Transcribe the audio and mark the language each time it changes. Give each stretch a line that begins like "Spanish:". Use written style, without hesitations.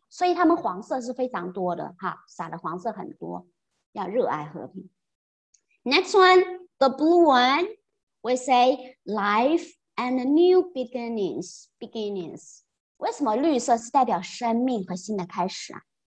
Chinese: 所以他们黄色是非常多的哈，撒的黄色很多，要热爱和平。
English: Next one, the blue one, we say life and new beginnings. Beginnings.
Chinese: 为什么绿色是代表生命和新的开始啊？